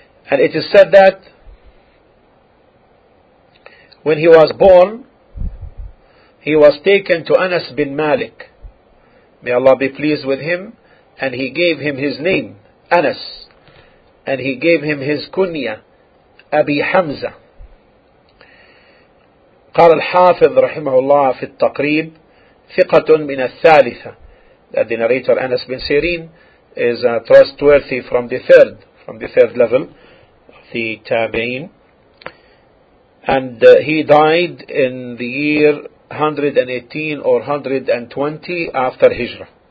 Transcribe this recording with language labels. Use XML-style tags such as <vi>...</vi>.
<en>And it is said that when he was born, he was taken to Anas bin Malik. May Allah be pleased with him. And he gave him his name, Anas. And he gave him his kunya, Abi Hamza.</en> <ar>قال الحافظ رحمه الله في التقريب ثقة من الثالثة.</ar> <en>That the narrator Anas bin Sirin is trustworthy from the third level of the Tabi'in. And he died in the year 118 or 120 after Hijrah.</en>